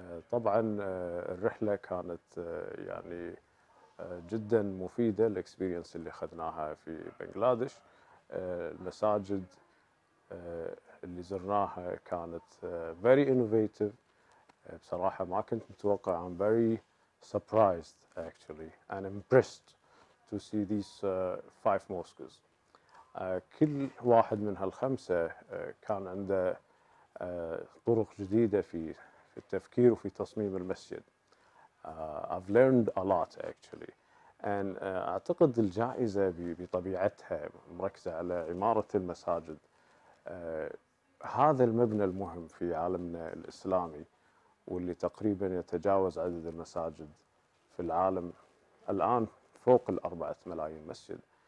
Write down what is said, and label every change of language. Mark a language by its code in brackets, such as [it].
[ar] طبعاً الرحلة كانت يعني جداً مفيدة، الإكسبيرينس اللي أخذناها في بنغلاديش. المساجد اللي زرناها كانت [en] very innovative. [ar] بصراحة ما كنت متوقع. [en] I'm very surprised actually and impressed to see these 5 mosques. [ar] كل واحد من هالخمسة كان عنده طرق جديدة في التفكير وفي تصميم المسجد. [en] I've learned a lot actually. [ar] And أعتقد الجائزة بطبيعتها مركزة على عمارة المساجد. هذا المبنى المهم في عالمنا الإسلامي، واللي تقريبا يتجاوز عدد المساجد في العالم الآن فوق 4 ملايين مسجد.